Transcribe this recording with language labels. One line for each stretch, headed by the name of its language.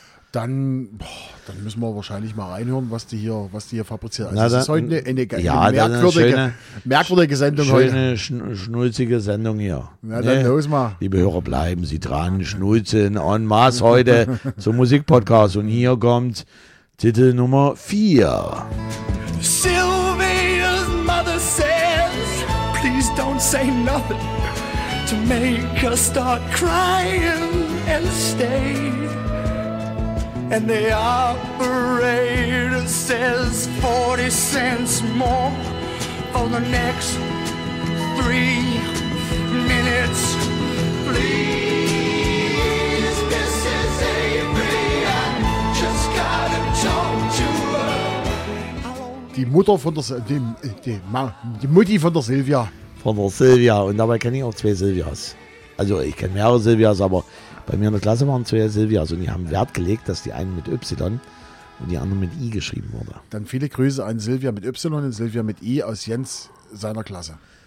German: Dann müssen wir wahrscheinlich mal reinhören, was die hier fabriziert. Also das ist heute eine merkwürdige Sendung schöne, heute. Schöne, schnulzige Sendung hier. Na, nee, dann los mal. Liebe Hörer, bleiben Sie dran, schnulzen en masse heute zum Musikpodcast. Und hier kommt Titel Nummer 4.
English: Sylvia's mother says, please don't say nothing. to make her start crying and stay. And the operator says 40 cents more for the next 3 minutes. Please, Mrs. Avery, I just gotta talk to her.
German: Die Mutter von der die Mutti von der Silvia. Von der Silvia. Und dabei kenne ich auch zwei Silvias. Also ich kenne mehrere Silvias, aber bei mir in der Klasse waren zwei Silvias und die haben Wert gelegt, dass die eine mit Y und die andere mit I geschrieben wurde. Dann viele Grüße an Silvia mit Y und Silvia mit I aus Jens seiner Klasse.